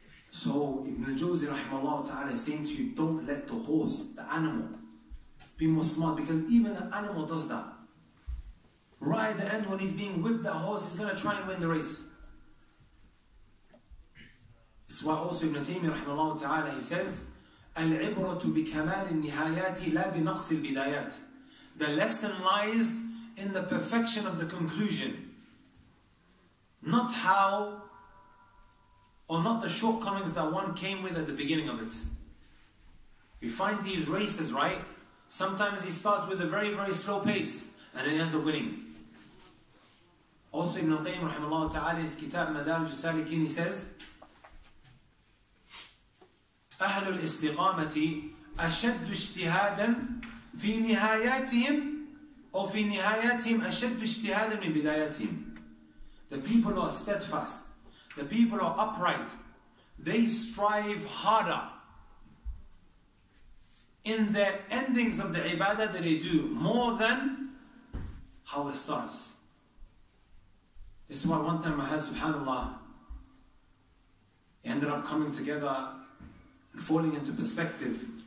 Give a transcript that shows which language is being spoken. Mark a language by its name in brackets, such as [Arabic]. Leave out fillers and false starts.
[English] So Ibn al-Jawzi rahimahullah ta'ala is saying to you, don't let the horse, the animal, be more smart, because even an animal does that. Right at the end, when he's being whipped, that horse is going to try and win the race. It's why also Ibn Taymiyyah, rahimahullah ta'ala, he says, [Arabic] العبرة بكمال النهايات لا بنقص البدايات. [English] The lesson lies in the perfection of the conclusion, not how or not the shortcomings that one came with at the beginning of it. We find these races, right? Sometimes he starts with a very, very slow pace and then he ends up winning. Also, Ibn al-Qayyim rahimahullah ta'ala in his kitab Madarij al-Salikin, he says, [Arabic] أهل الاستقامة أشد اجتهادا في نهاياتهم أو في نهاياتهم أشد اجتهادا من بداياتهم. [English] The people who are steadfast, the people who are upright, they strive harder in the endings of the ibadah that they do more than how it starts. This is why one time I had, subhanAllah, ended up coming together and falling into perspective.